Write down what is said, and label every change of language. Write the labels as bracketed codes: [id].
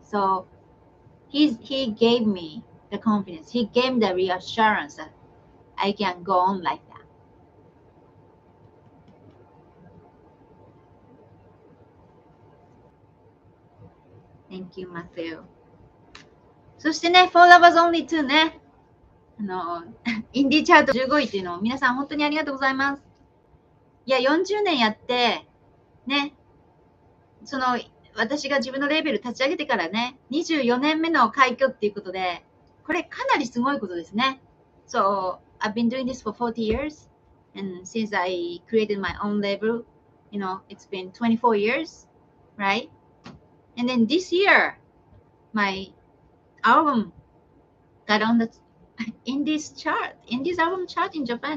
[en] So he gave me the confidence. He gave me the reassurance that I can go on like Thank you, Matthew. [ja] そしてね、For Lovers Only 2ね。インディーチャート15位っていうのを皆さん本当にありがとうございます。いや、40年やって、ね、私が自分のレーベル立ち上げてからね、24年目の快挙っていうことで、これかなりすごいことですね。 [en] So, I've been doing this for 40 years, and since I created my own label, you know, it's been 24 years, right? And then this year, my album got on the Indies chart, Indies album chart in Japan.